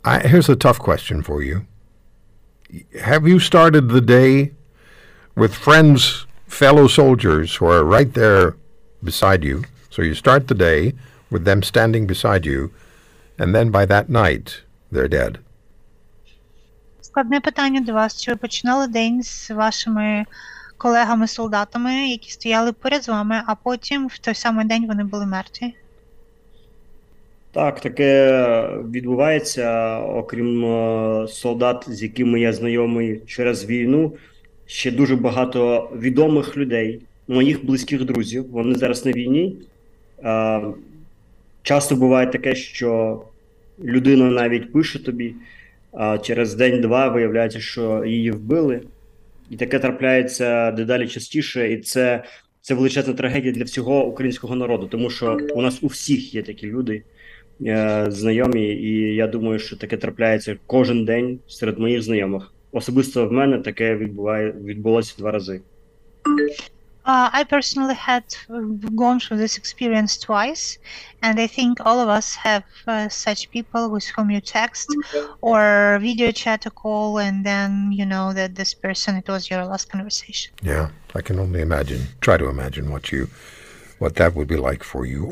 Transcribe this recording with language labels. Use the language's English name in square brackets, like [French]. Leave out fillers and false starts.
[English] Here's a tough question for you. Have you started the day with friends, fellow soldiers who are right there beside you? So you start the day with them standing beside you, and then by that night, they're dead. [Ukrainian] Складне питання до вас. Чи ви починали день з вашими колегами-солдатами, які стояли поряд з вами, а потім в той самий день вони були мертві? Так, таке відбувається, окрім солдат, з якими я знайомий через війну, ще дуже багато відомих людей, моїх близьких друзів, вони зараз на війні. Часто буває таке, що людина навіть пише тобі, а через день-два виявляється, що її вбили. І таке трапляється дедалі частіше, і це величезна трагедія для всього українського народу, тому що у нас у всіх є такі люди. Знайомі, і я думаю, що таке трапляється кожен день серед моїх знайомих. Особисто в мене таке відбулося два рази. [English] I personally had gone through this experience twice, and I think all of us have such people with whom you text or video chat a call, and then you know that this person, it was your last conversation. Yeah, I can only imagine, try to imagine what that would be like for you.